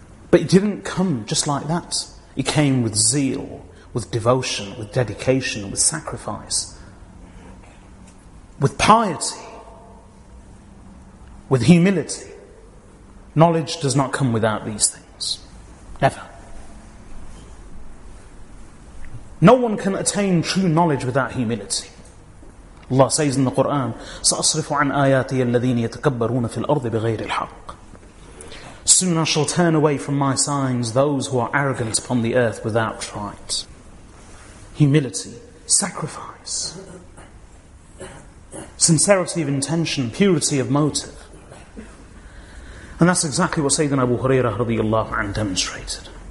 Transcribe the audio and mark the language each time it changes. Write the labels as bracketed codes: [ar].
[en] But it didn't come just like that. It came with zeal, with devotion, with dedication, with sacrifice, with piety, with humility. Knowledge does not come without these things. Never. No one can attain true knowledge without humility. Allah says in the Quran, [ar] "سَأَصْرِفُ عَنْ آيَاتِيَ الَّذِينِ يَتَكَبَّرُونَ فِي الْأَرْضِ بِغَيْرِ الْحَقِّ." [en] Soon I shall turn away from my signs those who are arrogant upon the earth without right. Humility, sacrifice, sincerity of intention, purity of motive. And that's exactly what Sayyidina Abu Hurairah radiallahu anhu demonstrated.